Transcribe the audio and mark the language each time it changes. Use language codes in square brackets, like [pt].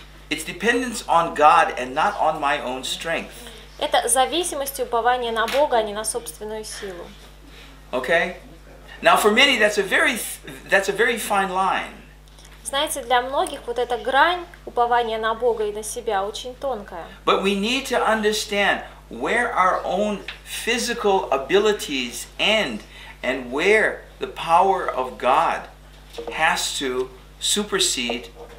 [en] It's dependent on God and not on my own strength. [ru] Это зависимость и упование на Бога, а не на собственную силу. Okay. [en] Now for many that's a very fine line. [ru] Знаете, для многих вот эта грань упования на Бога и на себя очень тонкая. [en] But we need to understand where our own physical abilities end and where the power of God has to supersede.